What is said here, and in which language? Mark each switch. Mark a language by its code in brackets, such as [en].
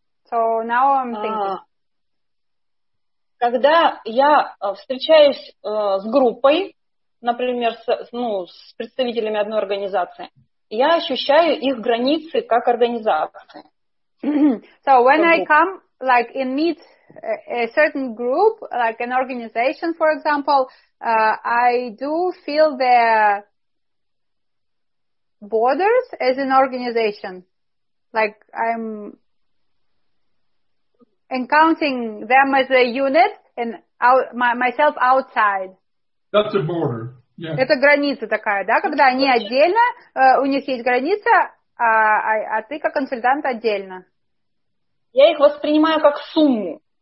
[en] So now I'm thinking. [ru] Когда я встречаюсь с группой, например, с представителями одной организации, я ощущаю их границы как организации. [en] So when I come like and meet a certain group, like an organization, for example, I do feel their borders as an organization. Like I'm encountering them as a unit and myself outside. That's a border. Yeah. [ru] Это граница такая, да, когда они отдельно, у них есть граница, а ты как консультант отдельно. Я их воспринимаю как сумму.